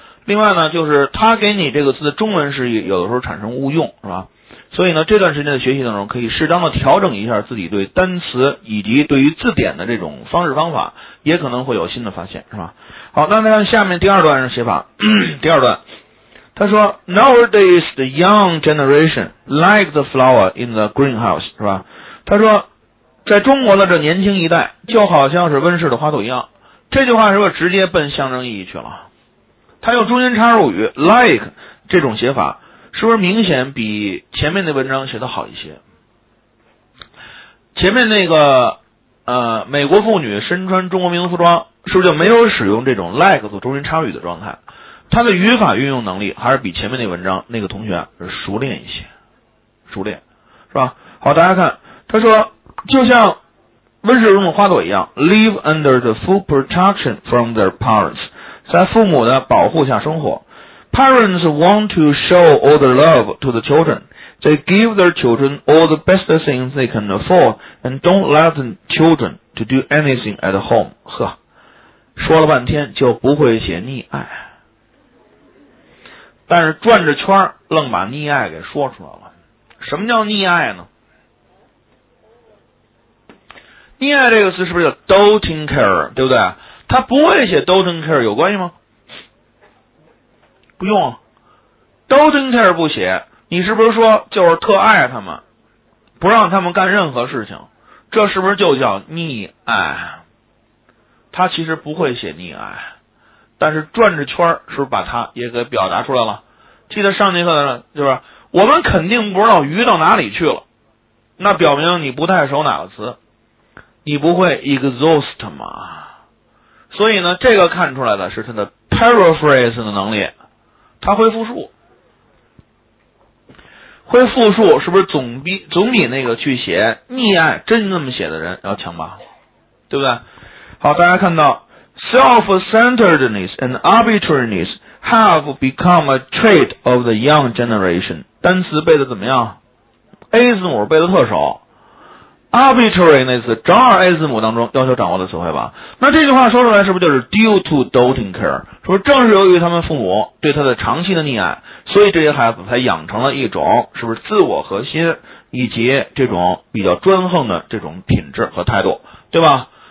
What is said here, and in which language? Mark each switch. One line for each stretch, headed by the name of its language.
Chinese: 另外呢，就是它给你这个词的中文释义有的时候产生误用，是吧？所以呢，这段时间的学习当中可以适当的调整一下自己对单词以及对于字典的这种方式方法，也可能会有新的发现，是吧？好，那看下面第二段是写法。第二段他说
English: Nowadays the young generation like the flower in the greenhouse， 是吧？
Chinese: 他说在中国的这年轻一代就好像是温室的花朵一样，这句话是不是直接奔象征意义去了？他用中间插入语 like 这种写法，是不是明显比前面的文章写得好一些？前面那个美国妇女身穿中国民族服装，是不是就没有使用这种 like 做中间插入语的状态？他的语法运用能力还是比前面那文章那个同学熟练一些，熟练，是吧？好，大家看，他说就像温室中的花朵一样
English: live under the full protection from their parents，
Chinese: 在父母的保护下生活，
English: Parents want to show all their love to the children. They give their children all the best things they can afford and don't let the children to do anything at home.
Chinese: 呵，说了半天就不会写溺爱，但是转着圈愣把溺爱给说出来了。什么叫溺爱呢？溺爱这个词是不是叫 doting care， 对不对？他不会写 doting care 有关系吗？不用啊， doting care 不写，你是不是说就是特爱他们，不让他们干任何事情，这是不是就叫溺爱？他其实不会写溺爱，但是转着圈是不是把他也给表达出来了？记得上节课的是吧，我们肯定不知道鱼到哪里去了，那表明你不太熟哪个词，你不会 exhaust 吗？所以呢，这个看出来的是他的 paraphrase 的能力，他会复述，会复述是不是总比那个去写溺爱真那么写的人要强吧，对不对？好，大家看到
English: self-centeredness and arbitrariness have become a trait of the young generation。
Chinese: 单词背的怎么样？ A 字母背的特少， arbitrariness 整二 A 字母当中要求掌握的词汇吧。那这句话说出来是不是就是
English: due to doting care，
Chinese: 是不是正是由于他们父母对他的长期的溺爱，所以这些孩子才养成了一种是不是自我核心以及这种比较专横的这种品质和态度，对吧？